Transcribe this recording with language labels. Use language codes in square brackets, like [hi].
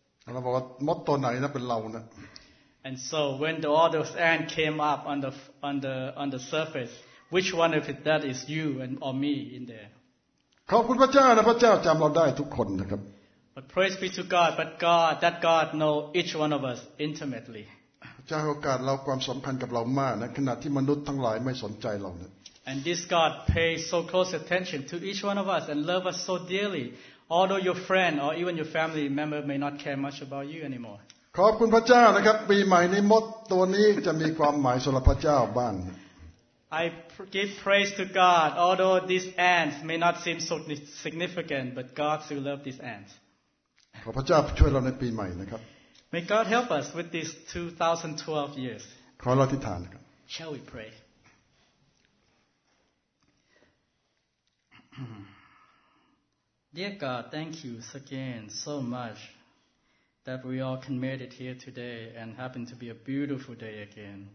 [en] And so when all those ants came up on the surface, which one of it that is you and or me in there? [th] ขอบคุณพระเจ้านะพระเจ้าจำเราได้ทุกคนนะครับ [en] But praise be to God. But God, that God know each one of us intimately. [th] เจ้าโอกาสเราความสำคัญกับเรามากนะขณะที่มนุษย์ทั้งหลายไม่สนใจเราเนี่ย [en] And this God pays so close attention to each one of us and love us so dearly although your friend or even your family member may not care much about you anymore [th] ขอบคุณพระเจ้านะครับปีใหม่นี้มดตัวนี้จะมีความหมายสำหรับพระเจ้าบ้าง [en] I give praise to God although these ants may not seem so significant but God still loves these ants [th] ขอพระเจ้าช่วยเราในปีใหม่นะครับ [en] May God help us with these 2012 years. [th] ขอเราอธิษฐานครับ [en] Shall we pray? Dear God, thank you again so much that we all can make it here today and happen to be a beautiful day again.